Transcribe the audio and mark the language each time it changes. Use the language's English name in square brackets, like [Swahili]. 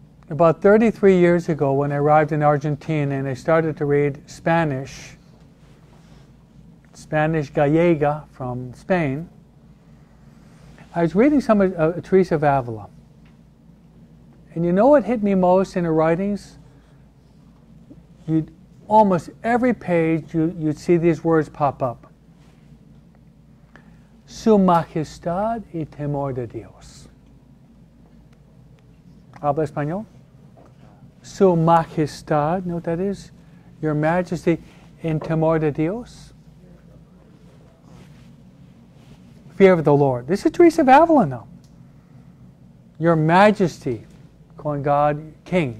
[English] About 33 years ago, when I arrived in Argentina and I started to read Spanish, Spanish Gallega from Spain, I was reading some of Teresa of Avila. And you know what hit me most in her writings? Almost every page, you'd see these words pop up. [Spanish] Su majestad y temor de Dios. ¿Habla español? Su majestad, [English] know what that is? Your majesty in [Spanish] temor de Dios. [English] Fear of the Lord. This is Teresa of Avila, though. Your majesty, calling God king.